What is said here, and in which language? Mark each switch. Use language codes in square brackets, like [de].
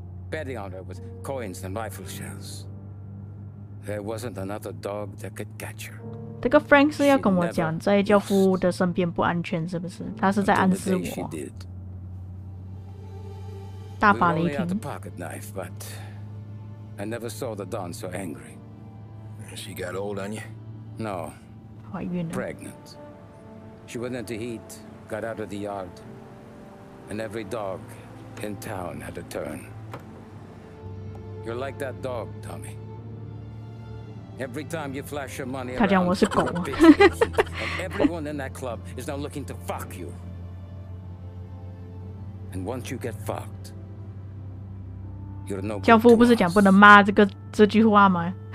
[en] Betting on her with coins and rifle shells. There wasn't another dog that could catch her. [zh] 这个 Frank 是要跟我讲，在教父的身边不安全，是不是？他是在暗示我。大发雷霆。 [en] But I never saw the Don so angry. She got old on you? No. [zh] 怀孕了。 [en] Pregnant. She went into heat, got out of the yard, and every dog in town had a turn. You're like that dog, Tommy. Every time you flash your money around, you're a bitch. Everyone in that club is now looking to fuck you. And once you get fucked, you're no good. [zh] 教父不是讲不能骂这句话吗？